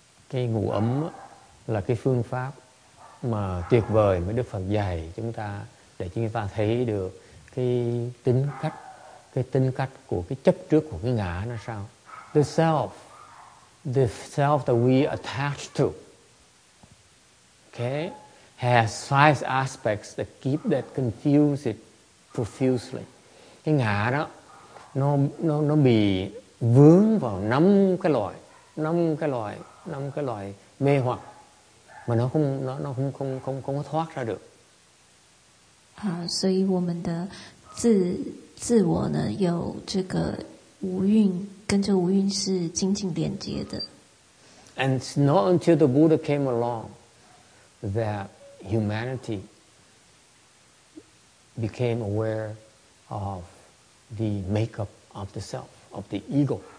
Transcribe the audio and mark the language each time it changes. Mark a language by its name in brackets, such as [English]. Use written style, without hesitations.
[Vietnamese] Cái ngũ ấm là cái phương pháp mà tuyệt vời mà Đức Phật dạy chúng ta để chúng ta thấy được cái tính cách của cái chấp trước của cái ngã nó sao. [English] The self that we attach to, okay, has five aspects that keep that confuse it profusely. [Vietnamese] Cái ngã đó nó bị vướng vào năm cái loại mê hoặc mà nó không có thoát ra được. [Chinese] 所以我们的自我呢, 有这个无蕴, 跟这无蕴是紧紧连接的。 [English] And it's not until the Buddha came along that humanity became aware of the makeup of the self, of the ego.